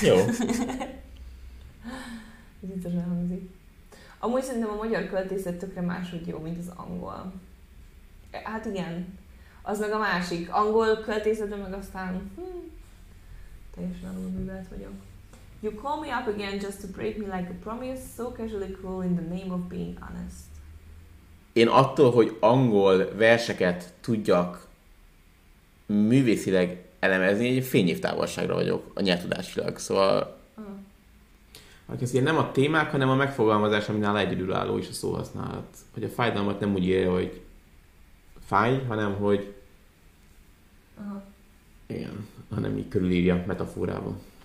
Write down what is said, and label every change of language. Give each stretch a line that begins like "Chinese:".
Hungarian: Jó. Ez itt azért hangzik. Amúgy szerintem a magyar költészet tökre máshogy jó, mint az angol. Hát igen, az meg a másik. Angol költészetben meg aztán teljesen alul művelt vagyok.
English: You call me up again just to break me like a promise, so casually cruel in the name of being honest.
Hungarian: Én attól, hogy angol verseket tudjak művészileg elemezni, egy fényév távolságra vagyok a nyelvtudásilag, szóval... Aki azt nem a témák, hanem a megfogalmazás, ami nála egyedülálló is a szóhasználat. Hogy a fájdalmat nem úgy írja, hogy fáj, hanem hogy igen, hanem így körülírja metaforában.